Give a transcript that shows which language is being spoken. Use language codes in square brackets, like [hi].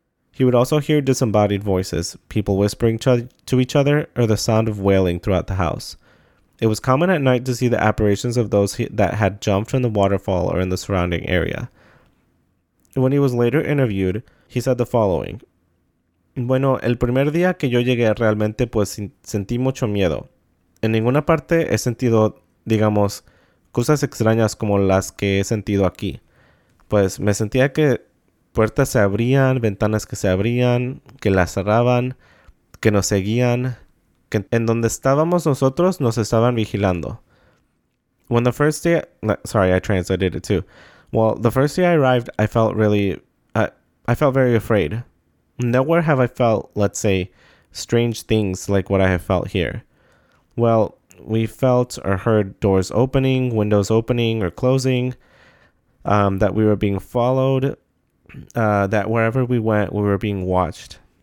[en] He would also hear disembodied voices, people whispering to each other, or the sound of wailing throughout the house. It was common at night to see the apparitions of those that had jumped from the waterfall or in the surrounding area. When he was later interviewed, he said the following. [es] Bueno, el primer día que yo llegué realmente pues sentí mucho miedo. En ninguna parte he sentido, digamos, cosas extrañas como las que he sentido aquí. Pues me sentía que puertas se abrían, ventanas que se abrían, que las cerraban, que nos seguían, que en donde estábamos nosotros nos estaban vigilando. [en] The first day I arrived, I felt really, I felt very afraid. Nowhere have I felt, let's say, strange things like what I have felt here. Well, We felt or heard doors opening, windows opening or closing, that we were being followed, that wherever we went, we were being watched.